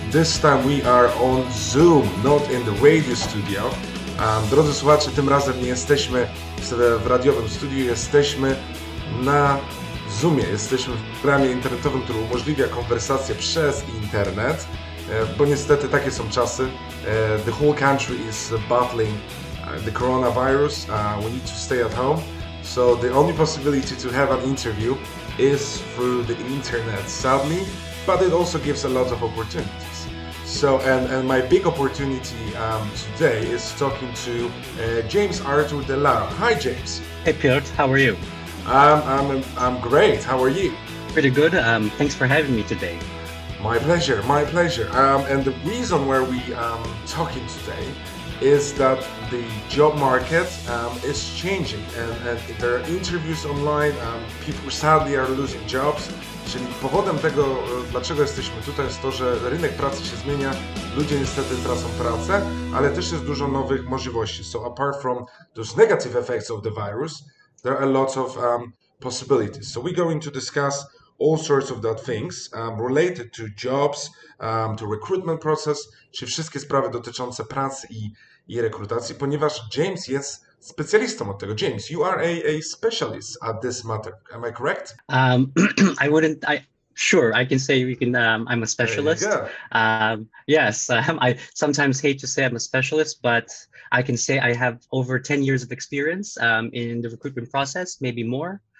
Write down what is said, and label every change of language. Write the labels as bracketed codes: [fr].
[en] This time we are on Zoom, not in the radio studio. [pl] Drodzy słuchacze, tym razem nie jesteśmy w radiowym studiu, jesteśmy na Zoomie. Jesteśmy w programie internetowym, który umożliwia konwersację przez internet, bo niestety takie są czasy. [en] The whole country is battling the coronavirus. We need to stay at home. So the only possibility to have an interview is through the internet, sadly, but it also gives a lot of opportunities. So, and my big opportunity today is talking to James Arthur De Lara. Hi, James. Hey, Piotr, how are you? I'm great. How are you? Pretty good. Thanks for having me today. My pleasure, my pleasure. And the reason why we are talking today is that the job market is changing, and there are interviews online, people sadly are losing jobs. [pl] Czyli powodem tego, dlaczego jesteśmy tutaj, jest to, że rynek pracy się zmienia, ludzie niestety tracą pracę, ale też jest dużo nowych możliwości. [en] So apart from those negative effects of the virus, there are a lot of possibilities. So we're going to discuss all sorts of that things related to jobs, to recruitment process, [pl] czy wszystkie sprawy dotyczące pracy i rekrutacji, ponieważ James jest specjalistą od tego. [en] James, you are a specialist at this matter. Am I correct? I'm a specialist. There you go. I sometimes hate to say I'm a specialist, but I can say I have over 10 years of experience in the recruitment process, maybe more.